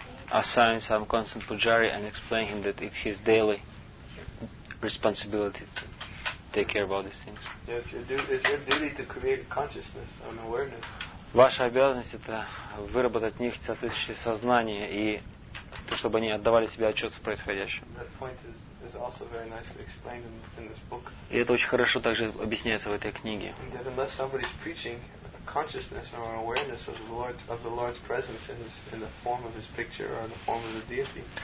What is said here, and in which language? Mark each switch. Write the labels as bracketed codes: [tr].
[en] Assign some constant pujari and explain him that it's his daily responsibility to take care about these things. Yes, it's your duty to create consciousness and awareness. [ru] Ваша обязанность это выработать в них соответствующее сознание и то, чтобы они отдавали себе отчет в происходящем. [en] That point is also very nicely explained in this book. [ru] И это очень хорошо также объясняется в этой книге. [en] That unless somebody's preaching consciousness or awareness of the Lord's presence in the form of His picture or in the form of the deity.